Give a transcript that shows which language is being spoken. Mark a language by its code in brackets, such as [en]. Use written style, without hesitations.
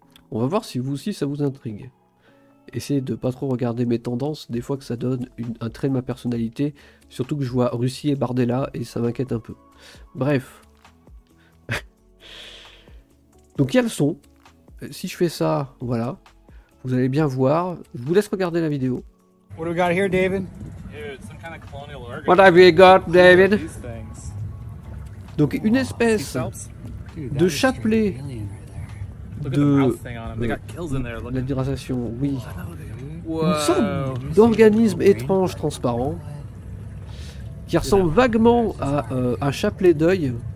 [fr] On va voir si vous aussi, ça vous intrigue. Essayez de pas trop regarder mes tendances, des fois que ça donne un trait de ma personnalité, surtout que je vois Russie et Bardella et ça m'inquiète un peu. Bref. Donc il y a le son. Si je fais ça, voilà. Vous allez bien voir. Je vous laisse regarder la vidéo. [en] What do we got here, David? Dude, some kind of colonial organism. What have we got, David? [fr] Donc une espèce de chapelet. De la dégradation, oui. Whoa. Une sorte d'organisme étrange transparent qui ressemble vaguement à un chapelet d'œil